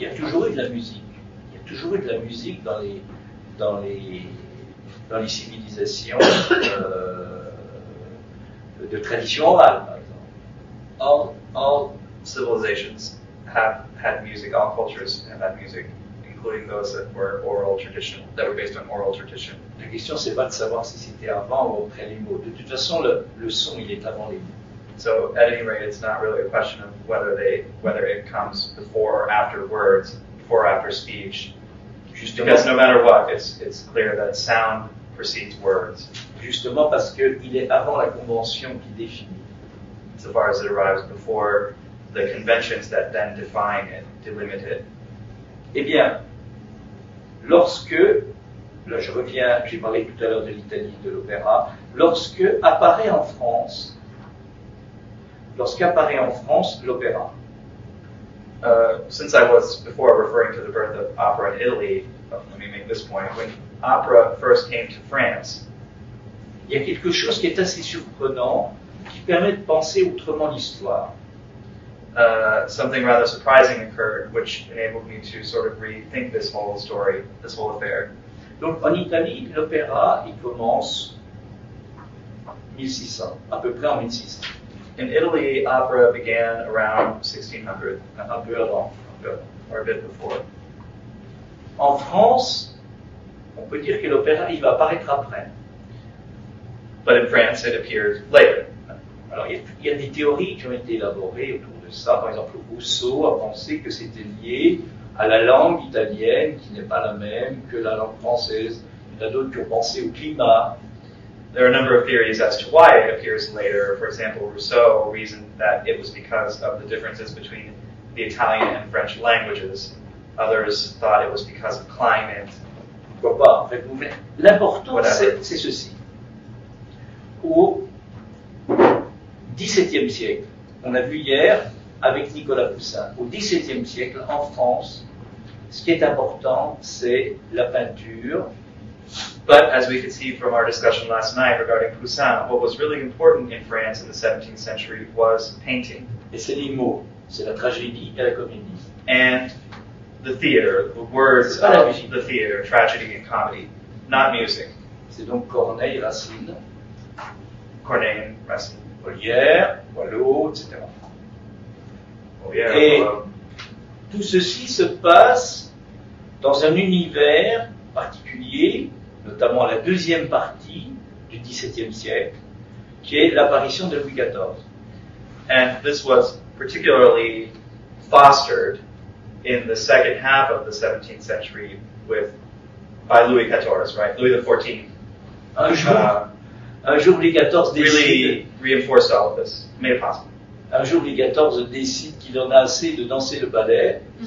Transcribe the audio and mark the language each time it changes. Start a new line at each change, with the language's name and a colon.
French: il y a toujours eu de la musique. Il y a toujours eu de la musique dans les, dans les, dans les civilisations de tradition orale, par exemple.
English: All civilizations have had music, all cultures have had music, including those that were oral tradition, that were based on oral tradition.
French: La question, c'est pas de savoir si c'était avant ou après les mots. De toute façon, le son, il est avant les mots.
English: So at any rate, it's not really a question of whether it comes before or after words, before or after speech.
French: Justement,
English: because no matter what, it's clear that sound precedes words.
French: Justement parce que il est avant la convention qui définit.
English: So far as it arrives before the conventions that then define it, delimit it.
French: Eh bien, lorsque, là je reviens, j'ai parlé tout à l'heure de l'Italie, de l'opéra, lorsque apparaît en France, lorsqu'apparaît en France l'opéra.
English: Since I was before referring to the birth of opera in Italy, let me make this point. When opera first came to France,
French: il y a quelque chose qui est assez surprenant, qui permet de penser autrement l'histoire.
English: Something rather surprising occurred, which enabled me to sort of rethink this whole story, this whole affair.
French: Donc en Italie, l'opéra, il commence 1600, à peu près en 1600.
English: In Italy, opera began around 1600,
French: un peu avant,
English: or a bit before.
French: En France, on peut dire que l'opéra, il va apparaître après.
English: But in France, it appeared later.
French: Alors, il y a des théories qui ont été élaborées autour de ça. Par exemple, Rousseau a pensé que c'était lié à la langue italienne, qui n'est pas la même que la langue française. Il y en a d'autres qui ont pensé au climat.
English: There are a number of theories as to why it appears later. For example, Rousseau reasoned that it was because of the differences between the Italian and French languages. Others thought it was because of climate.
French: Pourquoi pas, en fait, mais l'important, c'est ceci. Au XVIIe siècle, on a vu hier avec Nicolas Poussin, au XVIIe siècle, en France, ce qui est important, c'est la peinture.
English: But as we could see from our discussion last night regarding Poussin, what was really important in France in the 17th century was painting.
French: Et c'est les mots, c'est la tragédie et la comédie.
English: And the theater, the words of the theater, tragedy and comedy, not music.
French: C'est donc Corneille et Racine.
English: Corneille and Racine.
French: Molière, Boileau, etc.
English: Molière,
French: et tout ceci se passe dans un univers particulier, notamment la deuxième partie du XVIIe siècle, qui est l'apparition de Louis XIV.
English: And this was particularly fostered in the second half of the 17th century by Louis XIV, right? Louis XIV.
French: Un jour Louis XIV décide.
English: Really reinforced all of this, made it possible.
French: Un jour Louis XIV décide qu'il en a assez de danser le ballet.